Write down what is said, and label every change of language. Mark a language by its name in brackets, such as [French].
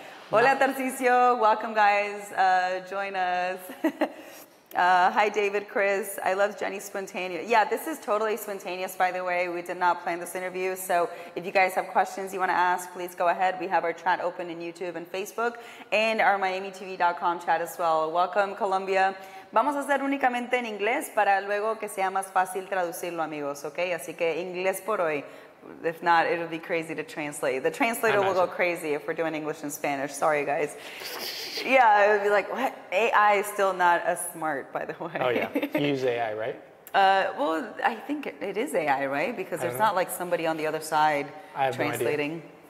[Spanish] Hola, [English] Tarcicio. Welcome, guys. Join us. hi, David, Chris. I love Jenny Spontaneous. Yeah, this is totally spontaneous, by the way. We did not plan this interview. So if you guys have questions you want to ask, please go ahead. We have our chat open in YouTube and Facebook and our MiamiTV.com chat as well. Welcome, Colombia. [Spanish] Vamos a hacer únicamente en inglés para luego que sea más fácil traducirlo, amigos. Okay? Así que inglés por hoy. [English] If not, it'll be crazy to translate. The translator will go crazy if we're doing English and Spanish. Sorry, guys. Yeah, it would be like, what? AI is still not as smart, by the way. Oh, yeah. You use AI, right? Well, I think it is AI, right? Because there's not like somebody on the other side translating.